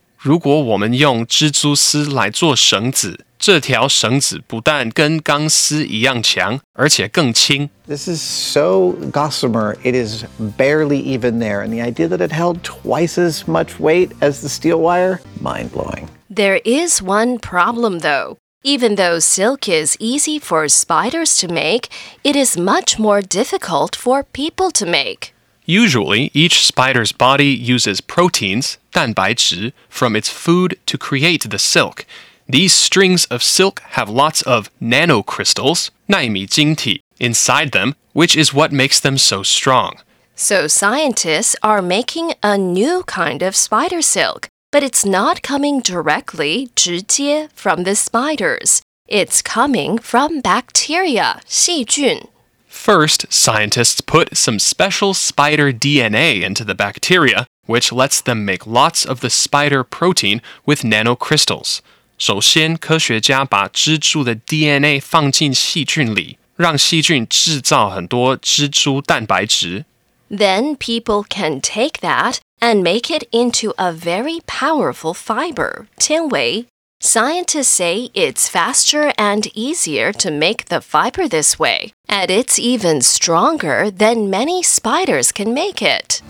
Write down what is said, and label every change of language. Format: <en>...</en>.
<zh>如果我们用蜘蛛絲来做绳子,这条绳子不但跟钢丝一样强，而且更轻。</zh> <en>This is so gossamer, it is barely even there. And the idea that it held twice as much weight as the steel wire, mind-blowing. There is one problem, though. Even though silk is easy for spiders to make, it is much more difficult for people to make. Usually, each spider's body uses proteins, 蛋白质, from its food to create the silk. These strings of silk have lots of nanocrystals,</en> <zh>奈米晶体,</zh> <en>inside them, which is what makes them so strong. So scientists are making a new kind of spider silk, but it's not coming directly,</en> <zh>直接,</zh> <en>from the spiders. It's coming from bacteria, 细菌. First, scientists put some special spider DNA into the bacteria, which lets them make lots of the spider protein with nanocrystals.</en> <zh>首先，科学家把蜘蛛的 DNA 放进细菌里，让细菌制造很多蜘蛛蛋白质。</zh> <en>Then people can take that and make it into a very powerful fiber, 纤维。 Scientists say it's faster and easier to make the fiber this way, and it's even stronger than many spiders can make it.</en>